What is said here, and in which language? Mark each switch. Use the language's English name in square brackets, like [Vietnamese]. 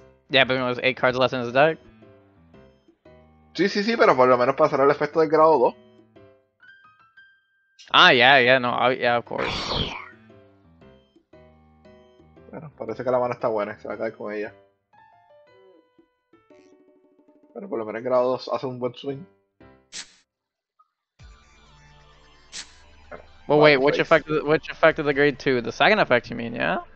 [English] Yeah, but it was 8 cards less in the dark. [Spanish] Sí, pero por lo menos pasará el efecto del grado 2. [English] Ah, yeah, no, yeah, of course. [Spanish] Bueno, parece que la mano está buena, se va a caer con ella. Pero por lo menos en grado 2 hace un buen swing. [English] Well, wait, which effect of the grade 2? The second effect, you mean, yeah?